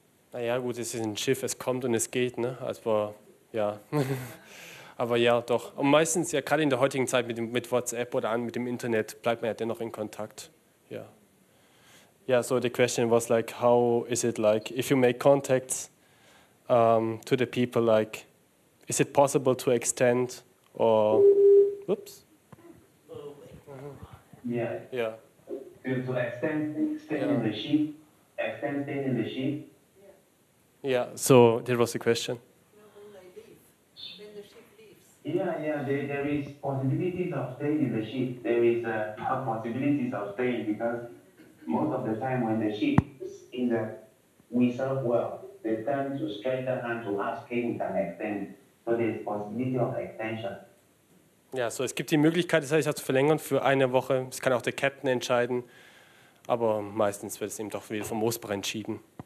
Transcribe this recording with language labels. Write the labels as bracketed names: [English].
[German] Naja, gut, es ist ein Schiff, es kommt und es geht, ne? Also, ja. Aber ja, doch. Und meistens, ja, gerade in der heutigen Zeit mit WhatsApp oder mit dem Internet, bleibt man ja dennoch in Kontakt. Ja. [English] Yeah, so the question was like, how is it like, if you make contacts to the people, like, is it possible to extend or. Oops. Yeah. Yeah. To extend staying in the ship. Yeah. So that was the question. There is possibilities of staying in the ship. There is a possibilities of staying because most of the time when the ship is in the we serve well, they tend to stretch their hand to ask him to extend. So there is possibility of extension. [German] Ja, so es gibt die Möglichkeit, das heißt, zu verlängern für eine Woche. Das kann auch der Captain entscheiden. Aber meistens wird es eben doch wieder vom Mosbach entschieden.